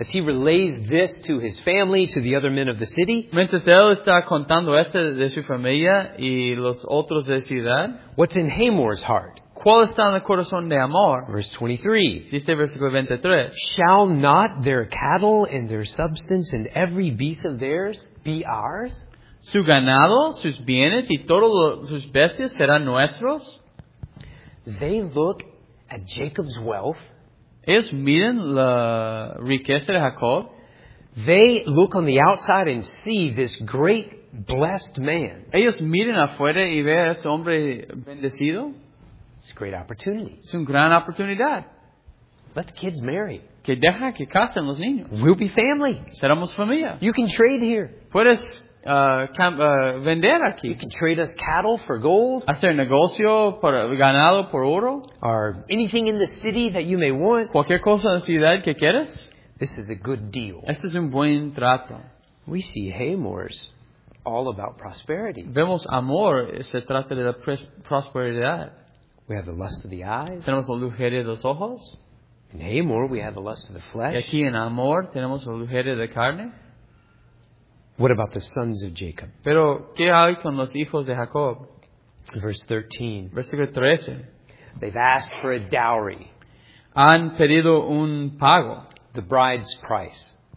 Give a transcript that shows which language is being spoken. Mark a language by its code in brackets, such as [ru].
[en] As he relays this to his family, to the other men of the city. [es] Mientras él está contando esto de su familia y los otros de ciudad. [en] What's in Hamor's heart? [es] ¿Cuál está en el corazón de Hamor? [en] Verse 23. [es] Dice versículo 23. [en] "Shall not their cattle and their substance and every beast of theirs be ours?" [es] ¿Su ganado, sus bienes y todos sus bestias serán nuestros? [en] They look at Jacob's wealth. [es] ¿Ellos miran la riqueza de Jacob? [en] They look on the outside and see this great blessed man. [es] ¿Ellos miran afuera y ven a ese hombre bendecido? [en] It's a great opportunity. [es] Es una gran oportunidad. [en] Let the kids marry. [es] Que deja que casen los niños. [en] We'll be family. [es] Seremos familia. [en] You can trade here. [es] Puedes vender aquí. [en] You can trade us cattle for gold. [es] Hacer negocio por ganado por oro. [en] Or anything in the city that you may want. [es] Cualquier cosa en la ciudad que quieras. [en] This is a good deal. [es] Este es un buen trato. [en] We see Hamor's all about prosperity. [es] Vemos amor, se trata de la prosperidad. [en] We have the lust of the eyes. [es] Tenemos la lujuria de los ojos. [en] In Hamor, we have the lust of the flesh. [es] Y aquí en amor, tenemos la lujuria de carne. [en] What about the sons of Jacob? [es] Pero, ¿qué hay con los hijos de Jacob? Versículo 13. [en] They've asked for a dowry. [es] Han pedido un pago. [en] The bride's price.